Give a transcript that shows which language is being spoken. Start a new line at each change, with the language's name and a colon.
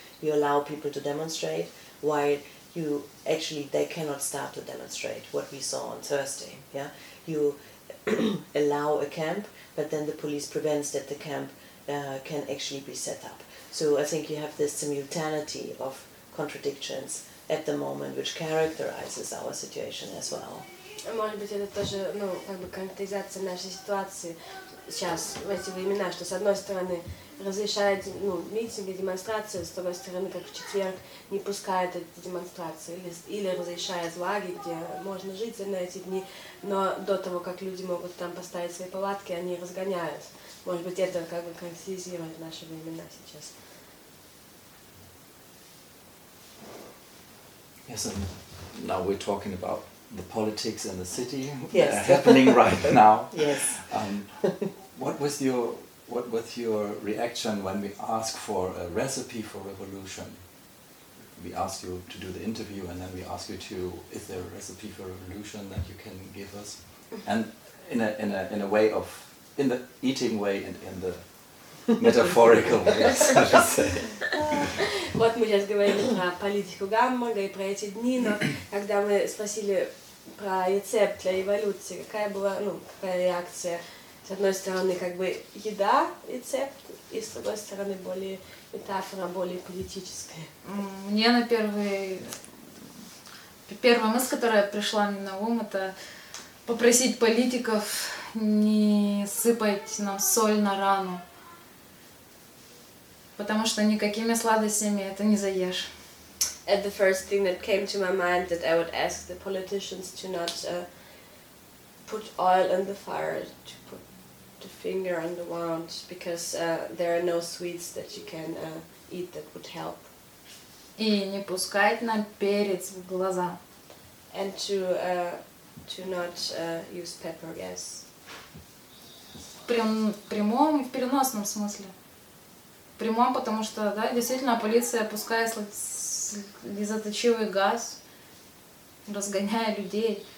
English: You allow people to demonstrate while you actually they cannot start to demonstrate, what we saw on Thursday. Yeah, you allow a camp, but then the police prevents that the camp can actually be set up. So I think you have this simultaneity of contradictions at the moment, which characterizes our situation as well.
Russian: Может быть, это тоже, ну, как бы конкретизация нашей ситуации сейчас, в эти времена, что с одной стороны разрешают, ну, митинги, демонстрации, с другой стороны, как в четверг, не пускают эти демонстрации, или разрешают лагерь, где можно жить на эти дни, но до того, как люди могут там поставить свои палатки, они разгоняют. Может быть, это как бы конкретизирует наши времена сейчас.
English: Yes, and now we're talking about the politics in the city yes. that are happening right now. Yes. What was your reaction when we asked for a recipe for revolution? We asked you to do the interview, and then we asked you to, is there a recipe for revolution that you can give us? And in a way of, in the eating way and in the metaphorical way, yes, I should say.
Russian: Вот мы сейчас говорили про политику Гамбурга и про эти дни, но когда мы спросили про рецепт для эволюции, какая была, ну, какая реакция? С одной стороны, как бы еда рецепт, и с другой стороны, более метафора, более политическая. Мне на первая мысль, которая пришла мне на ум, это попросить политиков не сыпать нам соль на рану. Потому что никакими сладостями это не заешь.
English: And the first thing that came to my mind that I would ask the politicians to not put oil in the fire, to put the finger on the wound, because there are no sweets that you can eat that would help.
Russian: И не пускать нам перец в глаза.
English: And to not use pepper, yes.
Russian: В прямом и в переносном смысле. В прямом, потому что, да, действительно, полиция пускает слезоточивый газ, разгоняя людей.